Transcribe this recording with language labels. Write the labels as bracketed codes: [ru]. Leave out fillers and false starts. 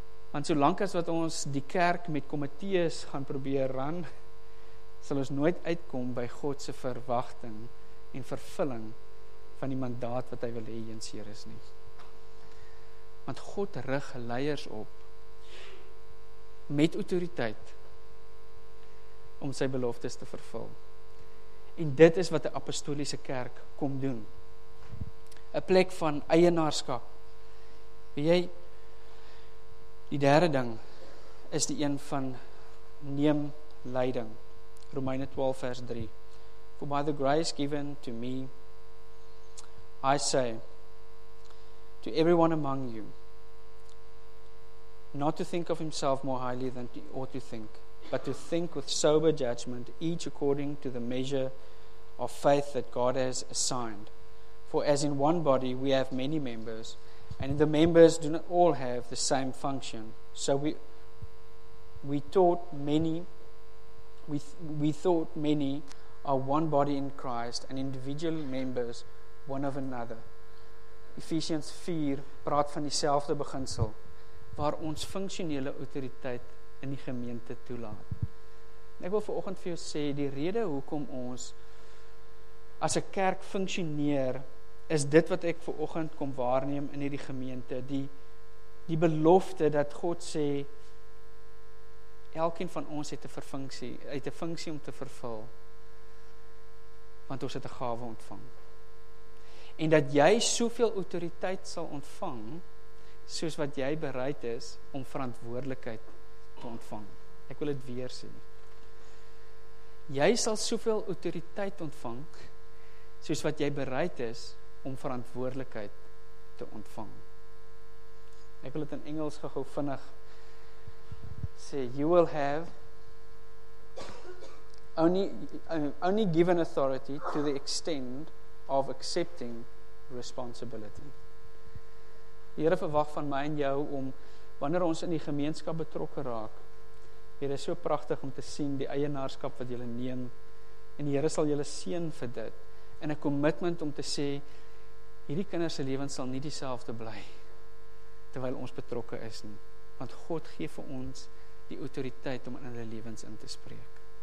[af] Want solank as wat ons die kerk met komitees gaan probeer ran, sal ons nooit uitkom by God se verwagting en vervulling van die mandaat wat hy wil hê in Sirius nie. Want God rig leiers op met autoriteit om sy beloftes te vervul. En dit is wat 'n apostoliese kerk kom doen. 'n Plek van eienaarskap. Weet jy, die derde ding is die een van neem leiding. Romeine 12 vers 3. [en] For by the grace given to me, I say to everyone among you, not to think of himself more highly than he ought to think, but to think with sober judgment, each according to the measure of faith that God has assigned. For as in one body we have many members, and the members do not all have the same function. So we thought many are one body in Christ, and individual members one of another. [af] Ephesians 4 praat van dieselfde beginsel, waar ons funksionele autoriteit in die gemeente toelaat. En ek wil vanoggend vir jou sê, die rede hoekom ons as 'n kerk funksioneer, is dit wat ek vanoggend kom waarneem in hierdie gemeente, die belofte dat God sê, elkeen van ons het 'n funksie, het 'n funksie om te vervul, want ons het 'n gawe ontvang. En dat jy soveel autoriteit sal ontvang, soos wat jy bereid is om verantwoordelikheid te ontvang. Ek wil dit weer sê. Jy sal soveel autoriteit ontvang, soos wat jy bereid is om verantwoordelikheid te ontvang. Ek wil dit in Engels gou vinnig sê, [en] you will have only given authority to the extent of accepting responsibility. [af] Die Here verwag van my en jou om, wanneer ons in die gemeenskap betrokke raak, dit is so prachtig om te sien die eienaarskap wat julle neem, en die Here sal julle seën vir dit, en 'n commitment om te sê, hierdie kinders se lewens sal nie dieselfde bly terwyl ons betrokke is nie, want God gee vir ons die autoriteit om in hulle lewens in te spreek.